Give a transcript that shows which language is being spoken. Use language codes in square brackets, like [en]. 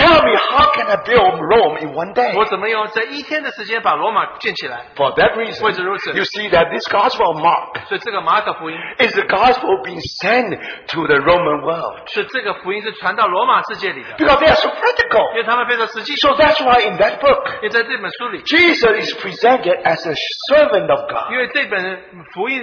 [en] Tell me, how can I build Rome in one day? [zh] 我怎么用这一天的时间把罗马建起来？ [en] For that reason, [zh] 为着如此, [en] you see that this gospel of Mark [zh] 所以这个马可福音, [en] is the gospel being sent to the Roman world. [zh] 是这个福音是传到罗马世界里的。 [en] Because they are so practical. So that's why in that book, Jesus is presented as a servant of God.